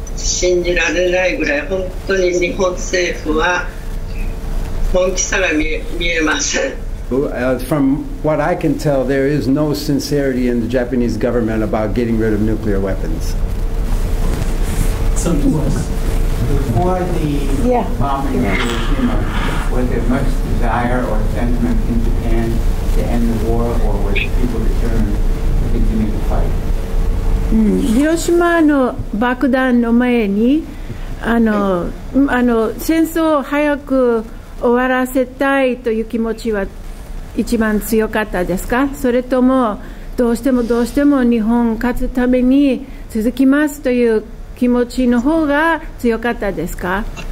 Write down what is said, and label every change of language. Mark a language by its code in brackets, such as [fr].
[ja] 信じられないぐらい本当に日本政府は本気さが見えません。 [en] From what I can tell, there is no sincerity in the Japanese government about getting rid of nuclear weapons. Something worse. before the bombing of Hiroshima, was there much desire or sentiment in Japan to end the war, or was people determined to continue to fight? [ja] Hiroshima の爆弾の前に戦争を早く終わらせたいという気持ちは一番強かったですか、それともどうしても日本勝つために続きますという気持ちの方が強かったですか。